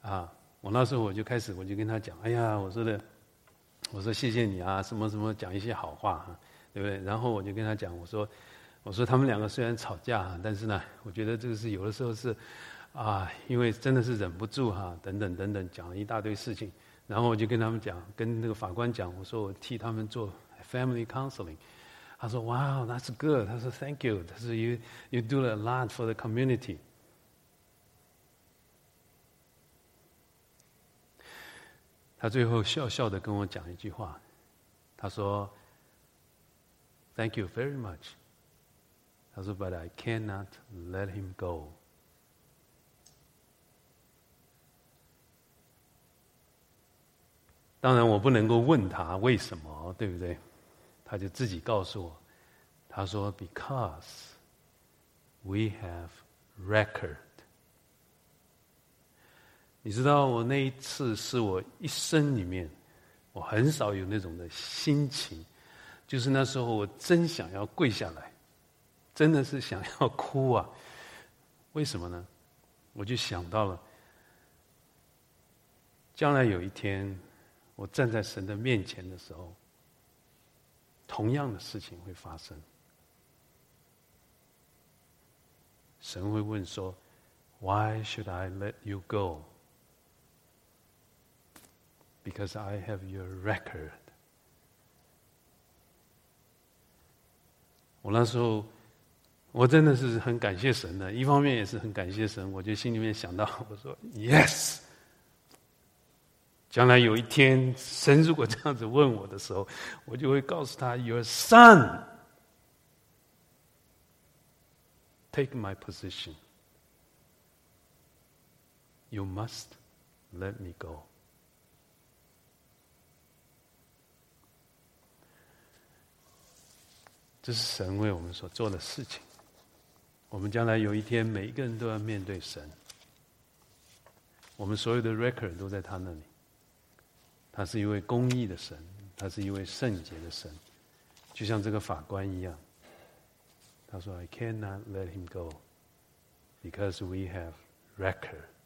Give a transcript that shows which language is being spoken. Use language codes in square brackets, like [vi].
[zh] 啊，我那时候我就跟他讲：“哎呀，我说谢谢你啊，什么什么，讲一些好话，对不对？” 然后我就跟他讲：“我说他们两个虽然吵架，但是呢，我觉得这个是有的时候是，啊，因为真的是忍不住哈，等等等等，讲了一大堆事情。然后我就跟他们讲，跟那个法官讲，我说我替他们做 [en] family counseling。” [zh] 他说 [en] Wow, that's good. 他说 Thank you. 他说 You do a lot for the community. [zh] 他最后笑笑的跟我讲一句话，他说 [en] Thank you very much. [zh] 他说 [en] But I cannot let him go. [zh] 当然我不能够问他为什么，对不对？他就自己告诉我，他说 [en] Because we have record. [zh] 你知道我那一次是我一生里面我很少有那种的心情，就是那时候我真想要跪下来，真的是想要哭啊。为什么呢？我就想到了将来有一天我站在神的面前的时候，同样的事情会发生。神会问说 [en] Why should I let you go? Because I have your record. [zh] 我那时候我真的是很感谢神的，一方面也是很感谢神，我就心里面想到，我说 [en] Yes! [zh] 将来有一天神如果这样子问我的时候，我就会告诉他 [en] Your son! Take my position. You must let me go. [zh] 这是神为我们所做的事情。我们将来有一天，每一个人都要面对神。我们所有的 record 都在他那里。他是一位公义的神，他是一位圣洁的神，就像这个法官一样。他说 [en] I cannot let him go because we have record.